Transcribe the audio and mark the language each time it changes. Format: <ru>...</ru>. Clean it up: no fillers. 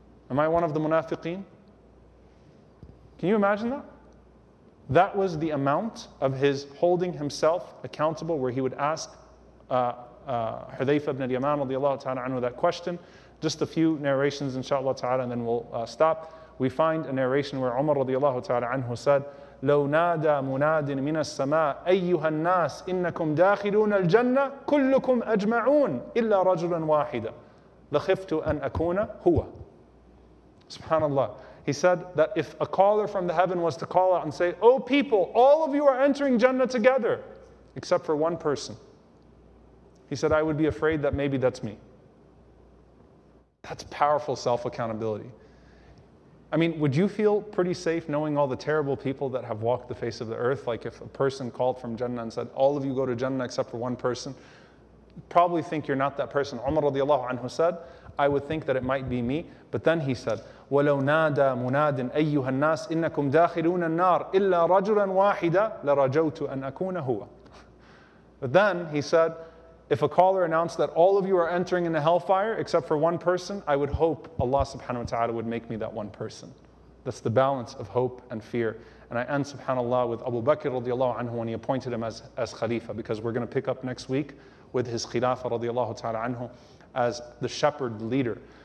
<en>Am I one of the munafiqeen? Can you imagine that? That was the amount of his holding himself accountable, where he would ask Hudhayfa ibn al-Yaman radiallahu ta'ala anhu that question. Just a few narrations inshaAllah ta'ala, and then we'll stop. We find a narration where Umar radiallahu ta'ala anhu said,</en> <ar>لو نادى مناد من السماء أيها الناس إنكم داخلون الجنة كلكم أجمعون إلا رجلا واحدا لخفت أن أكون هو.</ar> <en>SubhanAllah. He said that if a caller from the heaven was to call out and say, O people, all of you are entering Jannah together, except for one person, he said, I would be afraid that maybe that's me. That's powerful self-accountability. I mean, would you feel pretty safe knowing all the terrible people that have walked the face of the earth? Like if a person called from Jannah and said, all of you go to Jannah except for one person, probably think you're not that person. Umar radiallahu anhu said, I would think that it might be me. But then he said,</en> <ar>وَلَوْ نَادَى مُنَادٍ أَيُّهَا النَّاسِ إِنَّكُمْ دَاخِلُونَ النَّارِ إِلَّا رَجُلًا وَاحِدًا لَرَجَوْتُ أَنْ أَكُونَ هُوَ.</ar> <en>But then he said, if a caller announced that all of you are entering in the hellfire except for one person, I would hope Allah subhanahu wa ta'ala would make me that one person. That's the balance of hope and fear. And I end, subhanAllah, with Abu Bakr radiallahu anhu when he appointed him as Khalifa, because we're going to pick up next week with his Khilafah radiallahu ta'ala anhu as the shepherd leader.</en>